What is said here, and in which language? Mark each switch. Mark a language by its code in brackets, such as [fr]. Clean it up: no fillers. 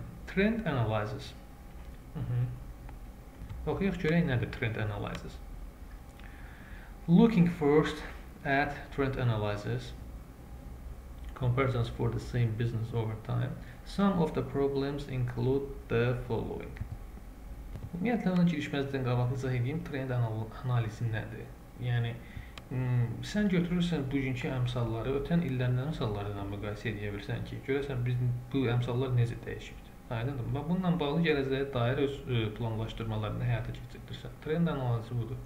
[en] Trend analysis. [az] Oxuyaq görək nədir trend analysis. [en] Looking first at trend analysis, comparisons for the same business over time, some of the problems include the following. [az] Ümumiyyətlə, ona girişməzdən qabaq izah edeyim, trend analizi nədir? Yəni, sən götürürsən bugünkü əmsalları, ötən illərindən əmsallarından müqayisə edə bilirsən ki, görəsən biz bu əmsallar necə dəyişibdir? Aydındır mı? Bununla bağlı gələcəyə dair öz planlaşdırmalarını həyata keçirdirsən. Trend analizi budur.